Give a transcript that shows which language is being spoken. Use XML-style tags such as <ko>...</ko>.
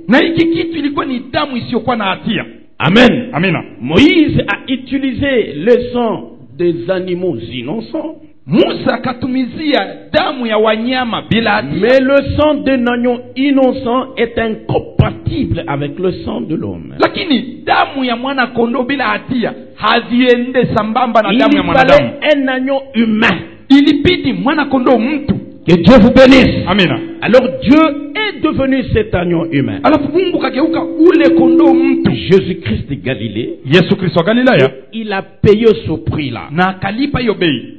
<sw>Na hiki kitu ilikuwa ni damu isiyokuwa na hatia.</sw> <en>Amen.</en> <sw>Amina.</sw> <fr>Moïse a utilisé le sang des animaux innocents.</fr> <sw>Musa katumizia damu ya wanyama bila hatia.</sw> <fr>Mais le sang d'un agneau innocent est incompatible avec le sang de l'homme.</fr> <sw>Lakini damu ya mwana kondo bila hatia haziende sambamba na damu ya mwanadamu.</sw> <fr>Il fallait un agneau humain.</fr> <sw>Ilibidi mwana kondo mtu.</sw> <fr>Que Dieu vous bénisse.</fr> <sw>Amina.</sw> <fr>Alors Dieu est devenu cet agneau humain.</fr> <sw>Alafu Mungu kageuka ule kondo mtu.</sw> <fr>Jésus-Christ de Galilée.</fr> <sw>Yesu Kristo wa Galilaya.</sw> <fr>Il a payé ce prix là.</fr> <sw>Na kalipa hiyo bei.</sw>